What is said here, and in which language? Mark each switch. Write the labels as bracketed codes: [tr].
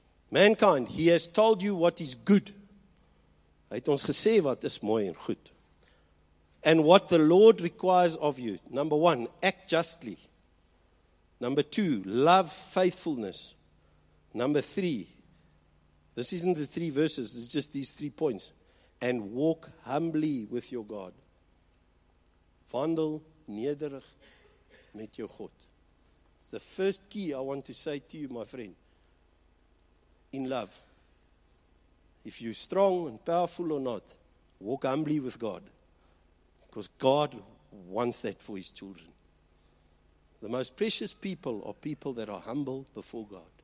[en] Mankind, he has told you what is good. [af] Hy het ons gesê wat is mooi en goed. [en] And what the Lord requires of you. Number 1, act justly. Number 2, love faithfulness. Number 3, this isn't the 3 verses, it's just these 3 points. And walk humbly with your God. [af] Wandel nederig met jou God. [en] It's the first key I want to say to you, my friend. In love. If you're strong and powerful or not, walk humbly with God. Because God wants that for his children. The most precious people are people that are humble before God.